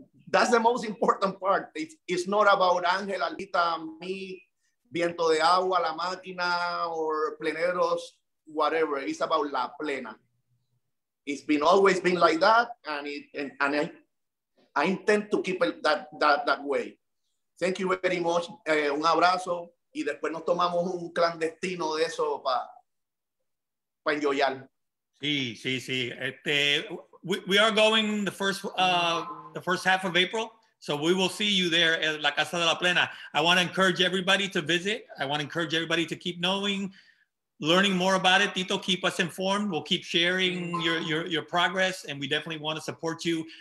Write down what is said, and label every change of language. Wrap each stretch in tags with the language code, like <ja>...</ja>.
<en>That's the most important part. It's not about Angel, Alita, me, Viento de Agua, La Máquina, or Pleneros, whatever. It's about La Plena. It's been always been like that, and I intend to keep it that way. Thank you very much. Un abrazo.</en> <es>Y después nos tomamos un clandestino de eso para enjoyar. Sí, sí, sí.</es> <en>We are going the first half of April, so we will see you there at La Casa de la Plena. I want to encourage everybody to visit. I want to encourage everybody to keep knowing, learning more about it. Tito, keep us informed. We'll keep sharing your progress, and we definitely want to support you.</en>